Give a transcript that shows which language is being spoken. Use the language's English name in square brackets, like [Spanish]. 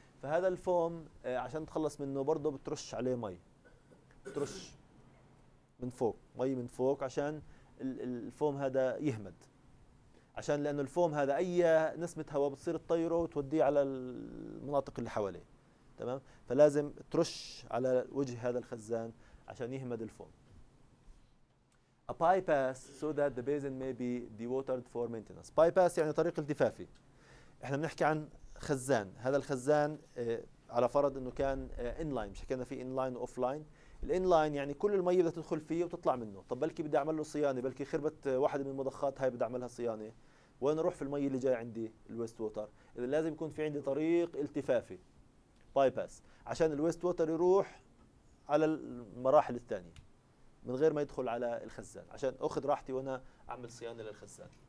[Arabic] فهذا الفوم عشان تخلص منه برضه بترش عليه مي، ترش من فوق مي من فوق عشان الفوم هذا يهمد، عشان لأنه الفوم هذا أي نسمة هواء بتصير تطيره وتوديه على المناطق اللي حواليه، تمام؟ فلازم ترش على وجه هذا الخزان عشان يهمد الفوم. [English] A bypass so that the basin may be dewatered for maintenance. [Arabic] Bypass يعني طريق التفافي. إحنا بنحكي عن خزان، هذا الخزان على فرض انه كان انلاين، مش حكينا في انلاين واوف لاين. الانلاين يعني كل المي بدها تدخل فيه وتطلع منه، طب بلكي بدي اعمل له صيانه، بلكي خربت واحده من المضخات هاي بدي اعملها صيانه، وين اروح في المي اللي جاي عندي الويست ووتر؟ اذا لازم يكون في عندي طريق التفافي باي باس عشان الويست ووتر يروح على المراحل الثانيه من غير ما يدخل على الخزان، عشان اخذ راحتي وانا اعمل صيانه للخزان.